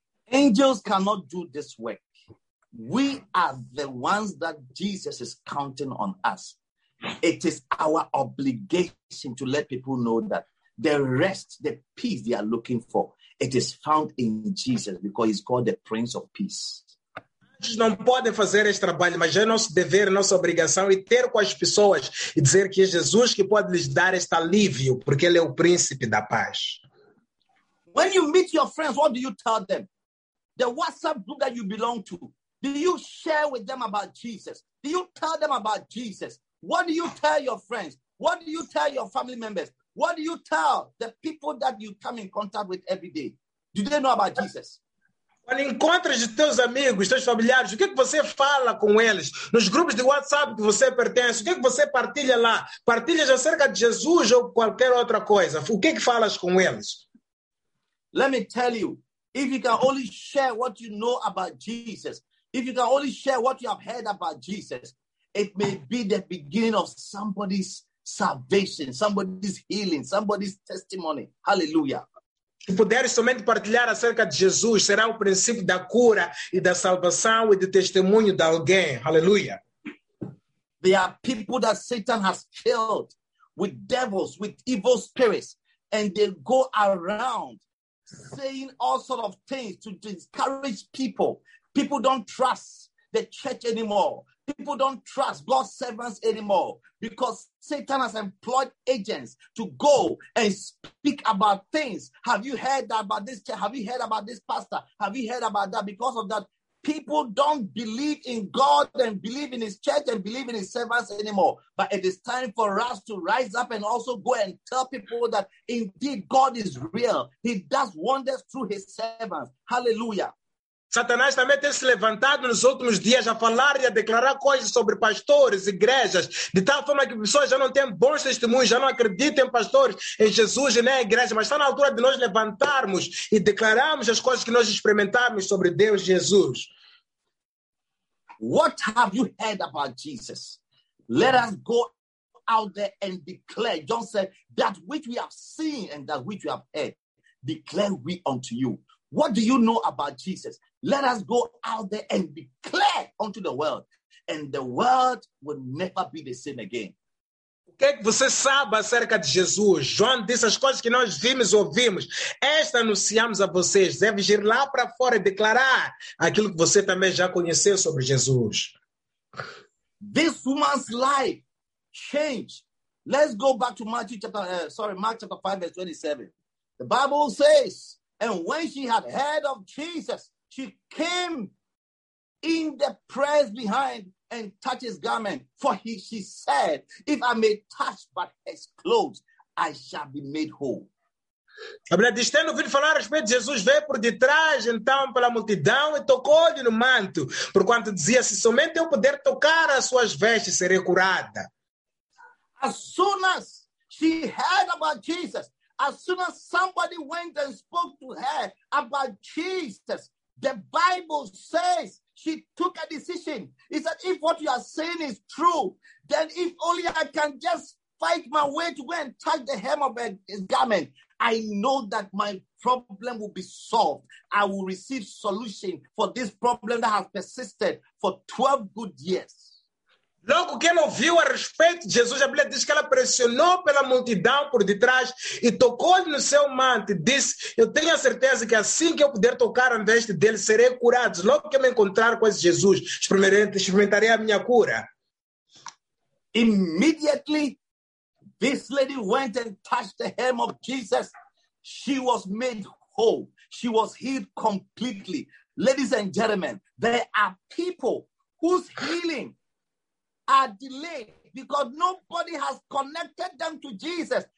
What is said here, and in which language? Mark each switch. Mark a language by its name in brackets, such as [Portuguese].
[English] Angels cannot do this work. We are the ones that Jesus is counting on us. It is our obligation to let people know that the rest, the peace they are looking for, it is found in Jesus because he's called the Prince of Peace. [Portuguese] Não podem fazer esse trabalho, mas é nosso dever, nossa obrigação e ter com as pessoas e dizer que é Jesus que pode lhes dar este alívio, porque ele é o príncipe da paz. [English] When you meet your friends, what do you tell them? The WhatsApp group that you belong to, do you share with them about Jesus? Do you tell them about Jesus? What do you tell your friends? What do you tell your family members? What do you tell the people that you come in contact with every day? Do they know about Jesus? [Portuguese] Quando encontras os teus amigos, teus familiares, o que é que você fala com eles? Nos grupos de WhatsApp que você pertence, o que é que você partilha lá? Partilhas acerca de Jesus ou qualquer outra coisa? O que é que falas com eles? [English] Let me tell you, if you can only share what you know about Jesus, if you can only share what you have heard about Jesus, it may be the beginning of somebody's salvation, somebody's healing, somebody's testimony. Hallelujah. [Portuguese] Se puderes somente partilhar acerca de Jesus, será o princípio da cura e da salvação e do testemunho de alguém. Hallelujah. [English] There are people that Satan has killed with devils, with evil spirits, and they go around saying all sort of things to discourage people. People don't trust the church anymore. People don't trust God's servants anymore because Satan has employed agents to go and speak about things. Have you heard about this church? Have you heard about this pastor? Have you heard about that? Because of that, people don't believe in God and believe in his church and believe in his servants anymore. But it is time for us to rise up and also go and tell people that indeed God is real. He does wonders through his servants. Hallelujah. [Portuguese] Satanás também tem se levantado nos últimos dias a falar e a declarar coisas sobre pastores, igrejas, de tal forma que pessoas já não têm bons testemunhos, já não acreditam em pastores, em Jesus e nem em igreja, mas está na altura de nós levantarmos e declararmos as coisas que nós experimentamos sobre Deus e Jesus. [English] What have you heard about Jesus? Let us go out there and declare. John said, that which we have seen and that which we have heard, declare we unto you. What do you know about Jesus? Let us go out there and declare unto the world, and the world will never be the same again. [Portuguese] O que é que você sabe acerca de Jesus? João disse, as coisas que nós vimos e ouvimos, esta anunciamos a vocês. Deve ir lá para fora e declarar aquilo que você também já conheceu sobre Jesus. [English] This woman's life changed. Let's go back to Mark chapter 5, verse 27. The Bible says, and when she had heard of Jesus, she came in the press behind and touch his garment. For he said, if I may touch but his clothes, I shall be made whole. [Portuguese] A Bíblia diz, tendo ouvido falar a respeito de Jesus, veio por detrás, então, pela multidão e tocou-lhe no manto, porquanto dizia, se somente eu puder tocar as suas vestes, serei curada. [English] As soon as she heard about Jesus, as soon as somebody went and spoke to her about Jesus, the Bible says she took a decision. It said, if what you are saying is true, then if only I can just fight my way to go and touch the hem of his garment, I know that my problem will be solved. I will receive solution for this problem that has persisted for 12 good years. [Portuguese] Logo que ela ouviu a respeito de Jesus, a Bíblia diz que ela pressionou pela multidão por detrás e tocou-lhe no seu manto e disse, eu tenho a certeza que assim que eu puder tocar a veste dele, serei curado. Logo que eu me encontrar com esse Jesus, experimentarei a minha cura. [English] Immediately, this lady went and touched the hem of Jesus. She was made whole. She was healed completely. Ladies and gentlemen, there are people whose healing are delayed because nobody has connected them to Jesus.